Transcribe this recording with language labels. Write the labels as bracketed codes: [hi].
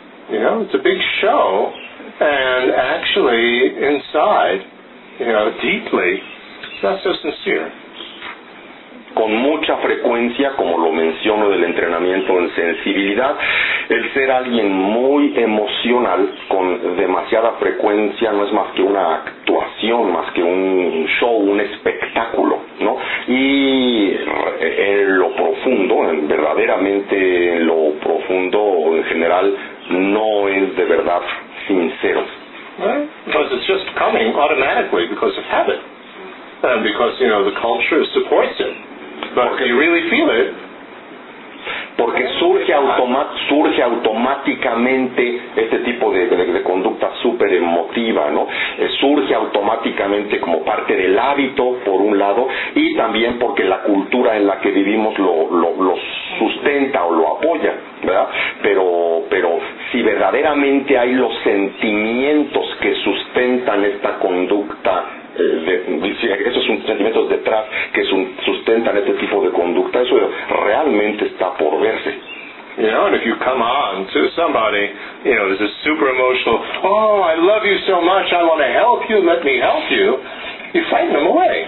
[en] You know, it's a big show, and actually, inside, you know, deeply, it's not so sincere. [es] Con mucha frecuencia, como lo menciono del entrenamiento en sensibilidad, el ser alguien muy emocional con demasiada frecuencia no es más que una actuación, más que un show, un espectáculo, ¿no? Y en lo profundo, verdaderamente en lo profundo, en general, no es de verdad sincero. [en] Right? Because it's just coming automatically because of habit. And because, you know, the culture supports it. [es] Porque, [en] you really feel it. [es] Porque surge automáticamente este tipo de conducta súper emotiva, ¿no? Surge automáticamente como parte del hábito, por un lado, y también porque la cultura en la que vivimos lo sustenta o lo apoya, ¿verdad? Pero si verdaderamente hay los sentimientos que sustentan esta conducta, esos sentimientos detrás que sustentan este tipo de conducta, eso realmente está por verse. [en] You know, and if you come on to somebody, you know, this is super emotional, oh, I love you so much, I want to help you, let me help you, you fight them away.